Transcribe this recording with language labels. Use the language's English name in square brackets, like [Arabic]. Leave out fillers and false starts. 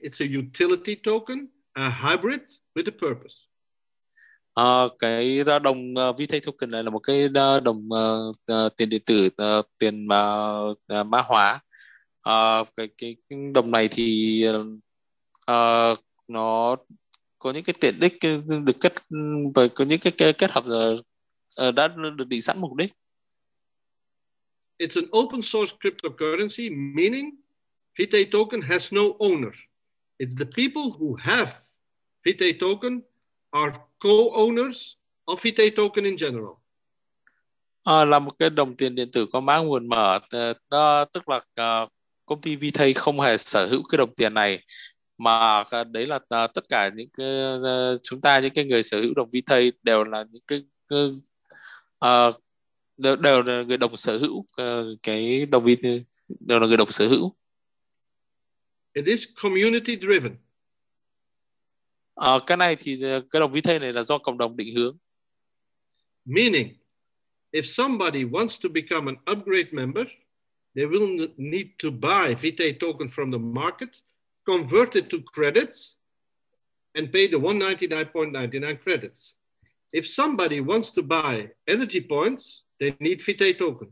[English] It's a utility token, a hybrid with a purpose. [Vietnamese] Cái đồng Vitae token này là một cái đồng tiền điện tử, tiền mã hóa. Cái đồng này thì nó có những cái tiện ích được kết, có những cái kết hợp đã được định sẵn mục đích. [English] It's an open source cryptocurrency, meaning Vitae token has no owner. It's the people who have Vitae token are co-owners of Vitae token in general. [Vietnamese] Là một cái đồng tiền điện tử có mã nguồn mở, tức là công ty Vitae không hề sở hữu cái đồng tiền này, mà đấy là tất cả những chúng ta, những cái người sở hữu đồng Vitae đều là những cái đều là người đồng sở hữu cái đồng Vitae, đều là người đồng sở hữu. [English] It is community driven. [Vietnamese] Cái này thì cái đồng Vitae này là do cộng đồng định hướng. [English] Meaning, if somebody wants to become an upgrade member, they will need to buy Vitae token from the market, convert it to credits, and pay the 199.99 credits. If somebody wants to buy energy points, they need Vitae token.